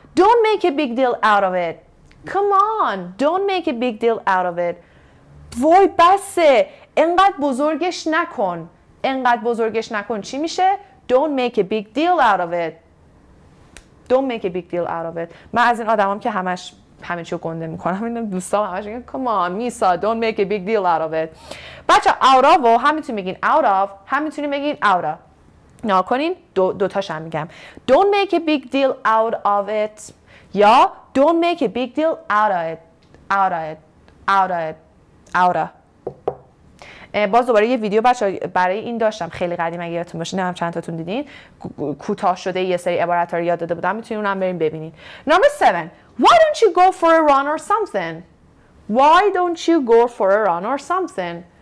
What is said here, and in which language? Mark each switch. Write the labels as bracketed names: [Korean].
[English] Don't make a big deal out of it. Come on. Don't make a big deal out of it. [Persian] وای بسه. انقدر بزرگش نکن. انقدر بزرگش نکن چی میشه؟ [English] Don't make a big deal out of it. Don't make a big deal out of it. [Persian] من از این آدمام که همش همه چیو گنده میکنم. اینا دوستام همش میگن [English] come on Misa don't make a big deal out of it. [Persian] بچه [English] out of [Persian] و هم میتونی بگین out of، هم میتونی بگین out of. ناکنین دوتاش هم میگم. [English] Don't make a big deal out of it یا don't make a big deal out of it. Out of it. Out of it. Out of. [Persian] باز دوباره یه ویدیو بچه برای این داشتم خیلی قدیم، اگه یادتون باشه نمیم چند تاتون دیدین کوتاه شده یه سری عبارت ها رو یاد داده بودم، میتونی اونم بریم ببینین. [English] Number 7. Why don't you go for a run or something? Why don't you go for a run or something?